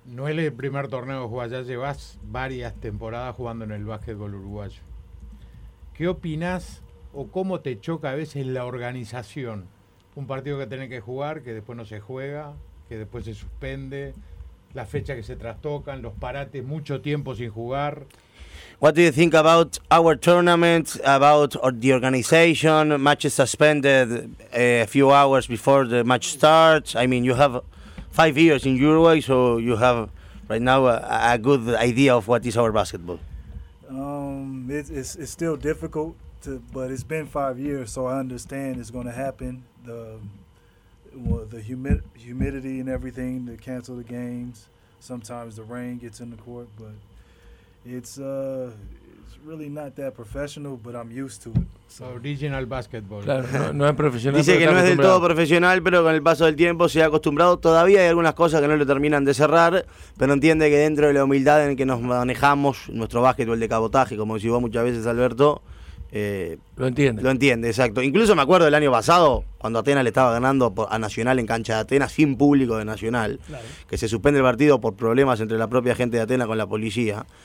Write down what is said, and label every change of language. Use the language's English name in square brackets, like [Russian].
[Spanish] No es el primer torneo que juegas, ya llevas varias temporadas jugando en el básquetbol uruguayo. ¿Qué opinás o cómo te choca a veces la organización? Un partido que tenés que jugar, que después no se juega, que después se suspende, las fechas que se trastocan, los parates, mucho tiempo sin jugar. [English] What do you think about our tournament, about the organization, matches suspended a few hours before the match starts? I mean, you have 5 years in Uruguay, so you have right now a good idea of what is our basketball. It's still difficult, but it's been 5 years, so I understand it's going to happen. The humidity and everything to cancel the games. Sometimes the rain gets in the court, but it's really not that professional, but I'm used to it. So. Original basketball. [Spanish] Claro, no es profesional. Dice que no es del todo profesional, pero con el paso del tiempo se ha acostumbrado. Todavía hay algunas cosas que no le terminan de cerrar, pero entiende que dentro de la humildad en que nos manejamos, nuestro básquetbol de cabotaje, como decís vos muchas veces, Alberto. Lo entiende, exacto. Incluso me acuerdo del año pasado, cuando Atenas le estaba ganando a Nacional en cancha de Atenas, sin público de Nacional, claro, que se suspende el partido por problemas entre la propia gente de Atenas con la policía.